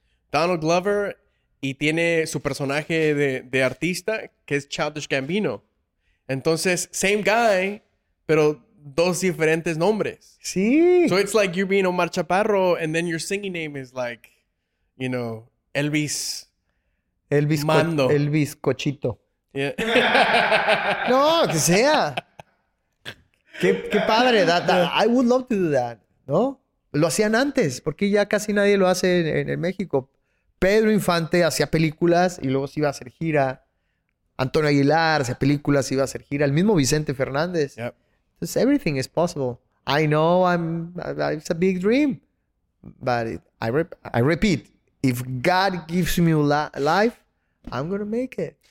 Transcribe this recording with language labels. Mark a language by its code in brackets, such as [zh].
[es] Donald Glover, y tiene su personaje de artista, que es Childish Gambino. Entonces, [en] same guy, [es] pero dos diferentes nombres. Sí. [en] So it's like you're being Omar Chaparro, and then your singing name is like, you know, Elvis... Elvis Mando. Elvis Cochito. Yeah. [es] No, que sea. Qué padre. [en] I would love to do that. ¿No? [es] Lo hacían antes, porque ya casi nadie lo hace en el México. Pedro Infante hacía películas y luego se iba a hacer gira. Antonio Aguilar hacía películas y iba a hacer gira. El mismo Vicente Fernández. [en] Yep. So everything is possible. I know it's a big dream. But I repeat. If God gives me life, I'm gonna make it.